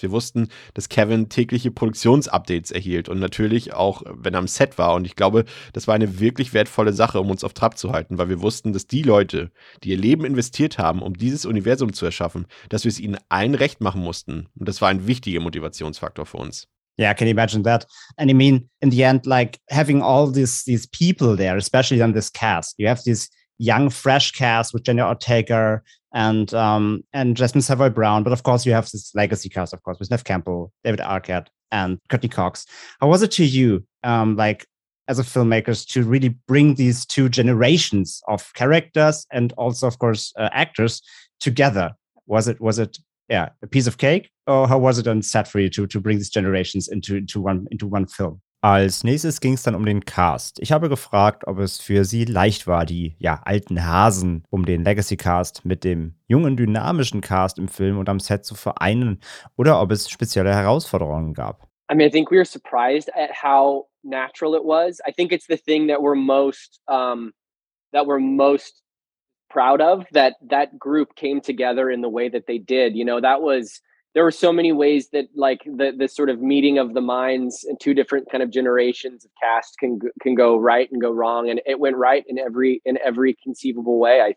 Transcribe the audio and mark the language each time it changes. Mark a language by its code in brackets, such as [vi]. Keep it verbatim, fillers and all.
[de] Wir wussten, dass Kevin tägliche Produktionsupdates erhielt und natürlich auch, wenn er am Set war. Und ich glaube, das war eine wirklich wertvolle Sache, um uns auf Trab zu halten, weil wir wussten, dass die Leute, die ihr Leben investiert haben, um dieses Universum zu erschaffen, dass wir es ihnen allen recht machen mussten. Und das war ein wichtiger Motivationsfaktor für uns. [en] Yeah, I can imagine that. And I mean, in the end, like having all these, these people there, especially on this cast, you have this young, fresh cast with Jenna Ortega and um, and Jasmine Savoy-Brown. But of course, you have this legacy cast, of course, with Neve Campbell, David Arquette, and Courtney Cox. How was it to you, um, like as a filmmakers to really bring these two generations of characters and also, of course, uh, actors together? Was it was it yeah a piece of cake, or how was it on set for you to to bring these generations into into one into one film? [de] Als nächstes ging es dann um den Cast. Ich habe gefragt, ob es für sie leicht war, die ja, alten Hasen um den Legacy-Cast mit dem jungen, dynamischen Cast im Film und am Set zu vereinen oder ob es spezielle Herausforderungen gab. [en] I mean, I think we were surprised at how natural it was. I think it's the thing that we're most um, that we're most proud of, that that group came together in the way that they did. You know, that was there were so many ways that like the the sort of meeting of the minds and two different kind of generations of cast can can go right and go wrong, and it went right in every in every conceivable way.